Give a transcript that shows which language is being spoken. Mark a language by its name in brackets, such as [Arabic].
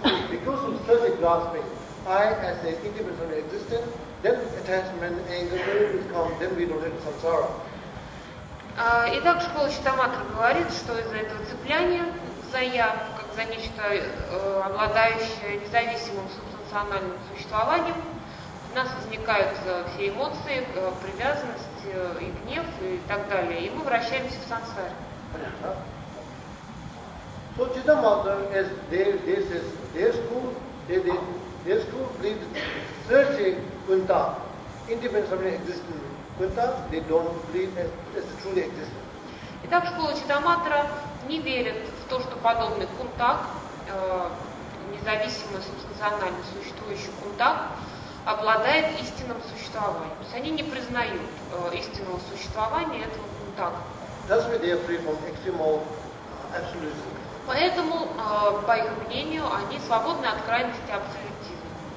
[English] Because of such a grasping, I as an individual existent, then attachment, anger, will come, then we don't have samsara. [Russian] Итак, школа Читаматра говорит, что из-за этого цепляния за я, как за нечто, обладающее независимым субстанциональным существованием, у нас возникают все эмоции, привязанность и гнев и так далее, и мы вращаемся в сансаре. [English] So Читаматра, as this is their school, their school did searching Кунта, independent of existence. They don't believe as truly existent. [Russian] Итак, школа Читаматра не верит в то, что подобный кунтак, независимо субстанционально существующий кунтак, обладает истинным существованием. То есть они не признают истинного существования этого кунтака. [English] That's why they are free from extremal absolutism. [Russian] Поэтому, по их мнению, они свободны от крайности абсолютизма.